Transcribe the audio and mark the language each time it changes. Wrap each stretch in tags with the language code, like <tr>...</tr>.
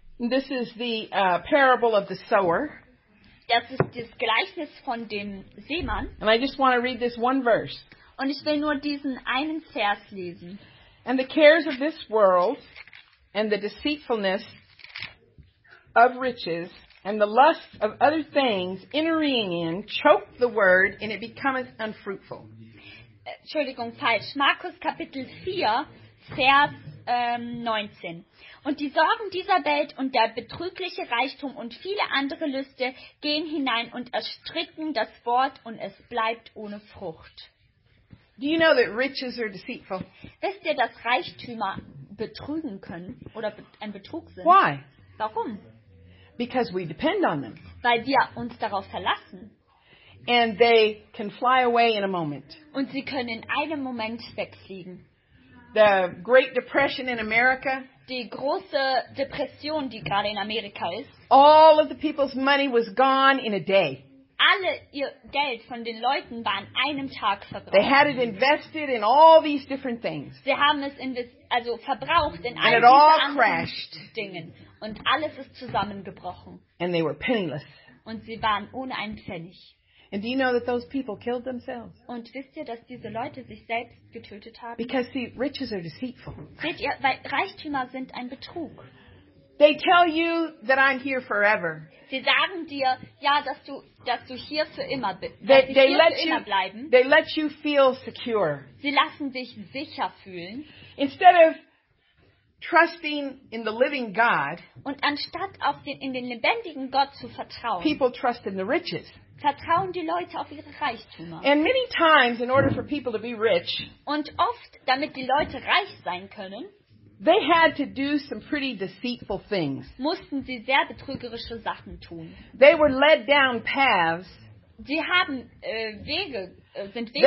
<en>This is the parable of the sower.</en> <de>Das ist das Gleichnis von dem Seemann.</de> <en>And I just want to read this one verse.</en> <de>Und ich will nur diesen einen Vers lesen.</de> <en>And the cares of this world and the deceitfulness of riches and the lust of other things entering in choke the word and it becometh unfruitful.</en> <de>Entschuldigung, falsch. Markus Kapitel 4, Vers 19. Und die Sorgen dieser Welt und der betrügliche Reichtum und viele andere Lüste gehen hinein und ersticken das Wort und es bleibt ohne Frucht.</de> <en>Do you know that riches are deceitful?</en> <de>Wisst ihr, dass Reichtümer betrügen können oder ein Betrug sind?</de> <en>Why?</en> <de>Warum?</de> <en>Because we depend on them.</en> <de>Weil wir uns darauf verlassen.</de> <en>And they can fly away in a moment.</en> <de>Und sie können in einem Moment wegfliegen.</de> <en>The Great Depression in America.</en> <de>Die große Depression, die gerade in Amerika ist.</de> <en>All of the people's money was gone in a day.</en> <de>alle ihr Geld von den Leuten war an einem Tag verbraucht.</de> <en>They had it invested in all these different things.</en> <de>Sie haben es verbraucht in</de> <en>all</en> <de>diese anderen</de> <en>crashed.</en> <de>Dingen. Und alles ist zusammengebrochen.</de> <en>And they were penniless.</en> <de>Und sie waren ohne einen Pfennig.</de> <en>And do you know that those people killed themselves?</en> <de>Und wisst ihr, dass diese Leute sich selbst getötet haben?</de> <en>Because see, riches are deceitful.</en> <de>Seht ihr, weil Reichtümer sind ein Betrug.</de> <en>They tell you that I'm here forever.</en> <de>Sie sagen dir, ja, dass du hier für immer bleiben.</de> <en>They let you feel secure.</en> <de>Sie lassen dich sicher fühlen.</de> <en>Instead of trusting in the living God.</en> <de>Und anstatt auf den lebendigen Gott zu vertrauen.</de> <en>People trust in the riches.</en> <de>Vertrauen die Leute auf ihre Reichtümer.</de> <en>And many times, in order for people to be rich.</en> <de>Und oft, damit die Leute reich sein können.</de> <en>They had to do some pretty deceitful things.</en> <de>Mussten sie sehr betrügerische Sachen tun.</de> <en>They were led down paths.</en> <de>Sie haben Wege sind Wege</de>